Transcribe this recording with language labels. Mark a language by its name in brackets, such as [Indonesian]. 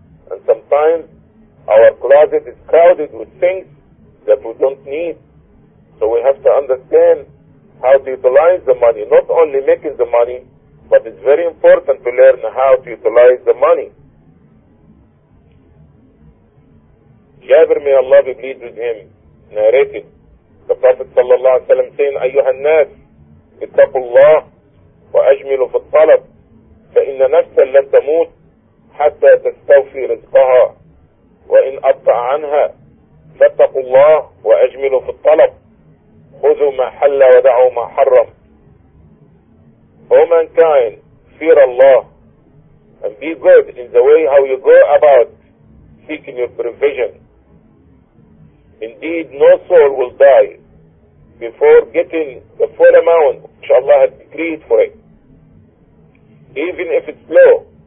[English] And sometimes our closet is crowded with things that we don't need. So we have to understand how to utilize the money, not only making the money, but it's very important to learn how to utilize the money. Jabir, may Allah be pleased with him, narrated the Prophet sallallahu alaihi wasallam saying, [Arabic] أيها الناس اتقوا الله وأجملوا في الطلب فإن نفسا لن تموت حتى تستوفي رزقها وإن أبطع عنها فاتقوا الله وأجملوا في الطلب خذوا ما حل ودعوا ما حرم. [English] O mankind, fear Allah and be good in the way how you go about seeking your provision. Indeed, no soul will die before getting the full amount which Allah has decreed for it, even if it's low.